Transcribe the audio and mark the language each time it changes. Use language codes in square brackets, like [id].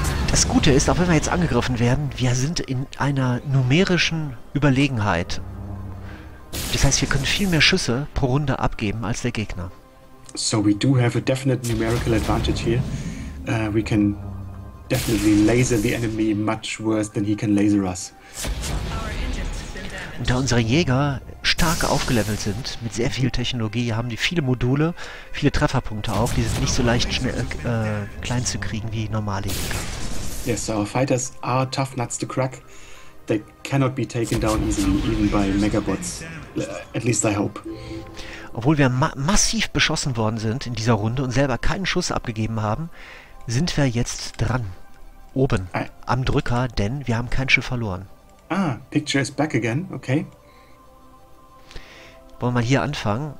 [de] Das Gute ist, auch wenn wir jetzt angegriffen werden, wir sind in einer numerischen Überlegenheit. Das heißt, wir können viel mehr Schüsse pro Runde abgeben als der Gegner. [en] So we do have a definite numerical advantage here. We can definitely laser the enemy much worse than he can laser us. [de] Und da unsere Jäger stark aufgelevelt sind, mit sehr viel Technologie, haben die viele Module, viele Trefferpunkte auch, die sind nicht so leicht schnell klein zu kriegen wie normale Jäger. [en] Yes, our fighters are tough nuts to crack. They cannot be taken down easily, even by megabots. At least I hope. [de] Obwohl wir massiv beschossen worden sind in dieser Runde und selber keinen Schuss abgegeben haben, sind wir jetzt dran. Oben, am Drücker, denn wir haben kein Schiff verloren. [en] Ah, picture is back again, okay. [de] Wollen wir mal hier anfangen?